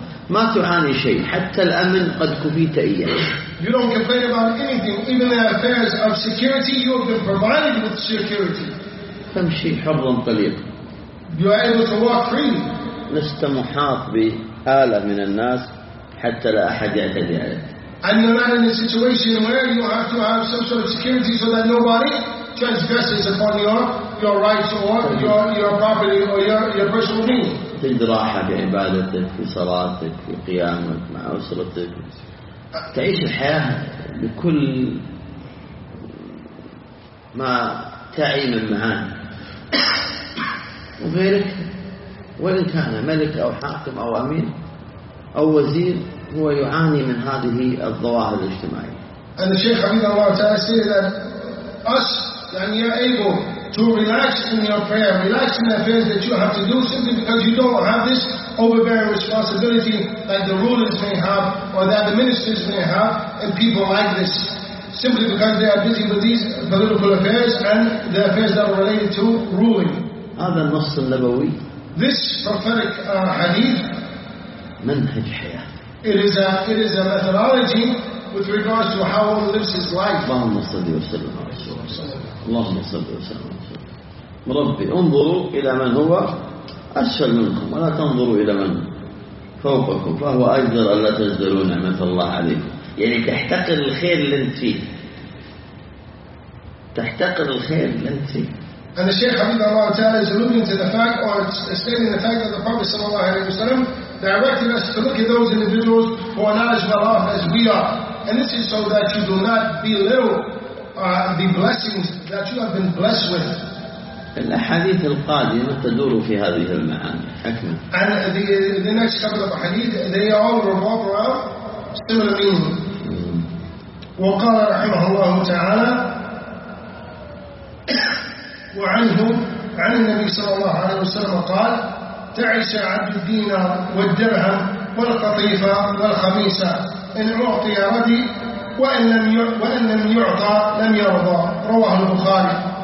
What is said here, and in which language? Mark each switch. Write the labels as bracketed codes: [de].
[ar] ما تعاني شيء حتى الأمن قد كفيت إياه. [en] You don't complain about anything, even the affairs of security. You have been provided with security. [ar] تمشي حرا طليقا. [en] You are able to walk free. [ar] لست محاط بآلة من الناس حتى لا أحد يعتدي عليك. [en] And you're not in a situation where you have to have some sort of security so that nobody transgresses upon your rights or your property or your personal means. [ar] تجد راحة بعبادتك في صلاتك في قيامك مع أسرتك. تعيش الحياة بكل ما تعي من معاني. وغيرك وإن كان ملك أو حاكم أو أمين أو وزير هو يعاني من هذه الظواهر الاجتماعية. [en] And the Sheikh Hamid Allah Ta'ala say that us and you are able to relax in your prayer, relax in the affairs that you have to do simply because you don't have this overbearing responsibility that the rulers may have or that the ministers may have and people like this. Simply because they are busy with these political affairs and the affairs that are related to ruling. [ar] هذا النص النبوي. [en] This prophetic hadith. [ar] منهج حياة. [en] It is a methodology with regards to how one lives his life. [ar] اللهم صل وسلم على رسول الله. اللهم صل وسلم على رسول الله. ربي انظروا إلى من هو أسفل منكم ولا تنظروا إلى من فوقكم فهو أجدر ألا تجدروا نعمة الله عليكم. يعني تحتقر الخير اللي أنت فيه. تحتقر الخير اللي أنت فيه. [en] And the Shaykh Hafidh Allah Ta'ala is alluding to the fact or stating the fact that the Prophet Sallallahu Alaihi Wasallam directed us to look at those individuals who are not as well off as we are. And this is so that you do not belittle the blessings that you have been blessed with. [ar] الأحاديث القادمة تدور في هذه المعاني حكمة. [en] And the next couple of hadith, they all revolve around similar meaning. [ar] وقال رحمه الله تعالى وعنه عن النبي صلى الله عليه وسلم قال تعس عبد الدينار والدرهم والقطيفة والخميسة إن أعطي رضي وإن لم يعطى لم يرضى رواه البخاري.